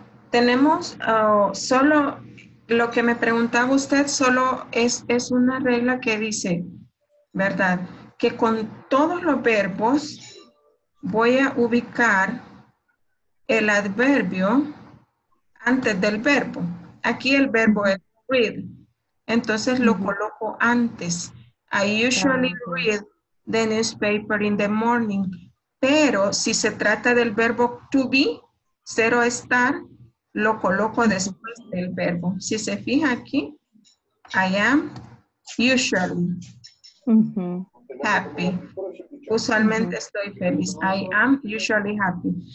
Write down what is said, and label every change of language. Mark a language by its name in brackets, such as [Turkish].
[Spanish] Tenemos solo lo que me preguntaba usted, solo es una regla que dice, ¿verdad? Que con todos los verbos voy a ubicar el adverbio antes del verbo. Aquí el verbo es read. Entonces lo coloco antes. [English] I usually read the newspaper in the morning. [Spanish] Pero si se trata del verbo to be, ser o estar, lo coloco después del verbo. Si se fija aquí, [English] I am usually happy. [Spanish] Usualmente estoy feliz. [English] I am usually happy.